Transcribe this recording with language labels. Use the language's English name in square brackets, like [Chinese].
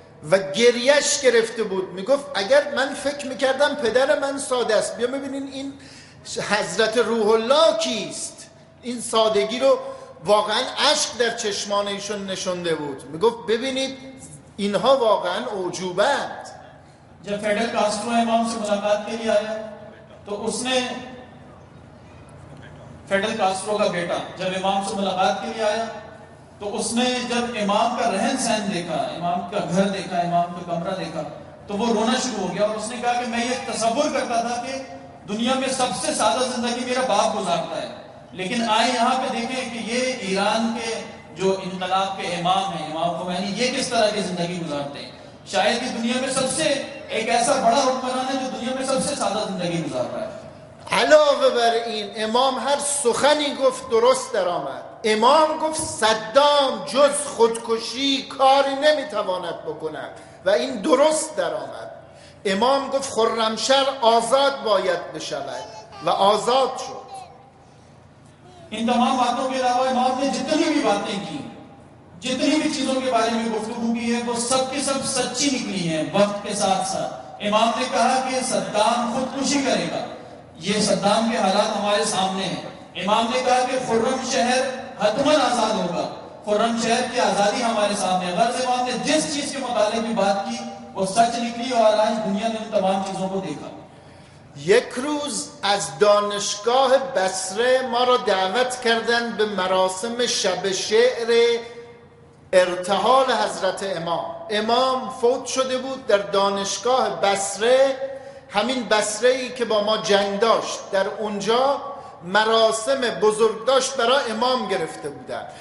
[Persian] و گریش گرفته بود، میگفت اگر من فکر میکردم پدر من ساده است، بیا ببینین این حضرت روح الله کیست. این سادگی رو واقعا عشق در چشمان ایشون نشونده بود. میگفت ببینید اینها واقعا عجوبه است. [Urdu] جب فیدل کاسترو امام سے ملاقات کے لیے آیا، تو اس نے، فیدل کاسترو کا بیٹا، جب امام سے ملاقات کے لیے آیا تو اس نے جب امام کا رہن سہن دیکھا، امام کا گھر دیکھا، امام کا کمرہ دیکھا، تو وہ رونا شروع ہو گیا. اور اس نے کہا کہ میں یہ تصور کرتا تھا کہ دنیا میں سب سے سادہ زندگی میرا باپ گزارتا ہے، لیکن آئے یہاں پہ دیکھیں کہ یہ ایران کے جو انقلاب کے امام ہیں، امام خمینی، یہ کس طرح کی زندگی گزارتے ہیں. شاید کہ دنیا میں سب سے، ایک ایسا بڑا حکمران ہے جو دنیا میں سب سے سادہ زندگی گزارتا ہے. [Persian] علاوه بر این، امام هر سخنی گفت درست در آمد. امام گفت صدام جز خودکشی کاری نمیتواند بکند، و این درست در آمد. امام گفت خرمشهر آزاد باید بشود، و آزاد شد. [Urdu] این تمام باتوں کے علاوہ امام نے جتنی بھی باتیں کی، جتنی بھی چیزوں کے بارے میں گفتگو کی ہے، وہ سب کی سب سچی نکلی ہیں وقت کے ساتھ ساتھ. امام نے کہا کہ صدام خودکشی کرے گا، یہ صدام کے حالات ہمارے سامنے ہیں. امام نے کہا کہ خرم شہر حتماً آزاد ہوگا، خرم شہر کی آزادی ہمارے سامنے. غرض امام نے جس چیز کے متعلق بھی بات کی، وہ سچ نکلی اور آج دنیا نے تمام چیزوں کو دیکھا. [Persian] یک روز از دانشگاه بصره ما را دعوت کردند به مراسم شب شعر ارتحال حضرت امام. امام فوت شده بود در دانشگاه بصره، همین بصره ای که با ما جنگ داشت، در اونجا مراسم بزرگ داشت برای امام گرفته بودند.